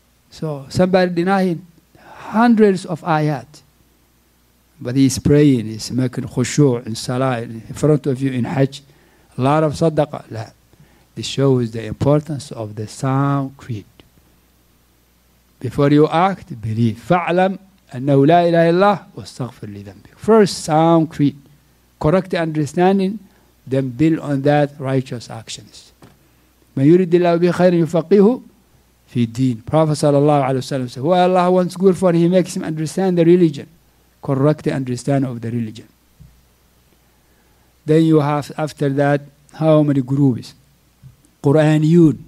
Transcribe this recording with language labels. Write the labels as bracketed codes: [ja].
[en] So somebody denying hundreds of ayat. But he's praying, he's making khushu in salah in front of you in hajj. A lot of sadaqah. لا. This shows the importance of the sound creed. Before you act, believe. [ar] فَعْلَمْ أَنَّهُ لَا إِلَهِ اللَّهِ وَاسْتَغْفِرْ لِذَنْبِكَ [en] First sound creed. Correct understanding. Then build on that righteous actions. [ar] مَنْ يُرِدِ اللَّهُ بِهِ خَيْرًا يُفَقِّهُ فِي الدِّينِ [en] Prophet sallallahu alayhi wa sallam said, who Allah wants good for, he makes him understand the religion. Correct understanding of the religion. Then you have, after that, how many groups? Quraniyun.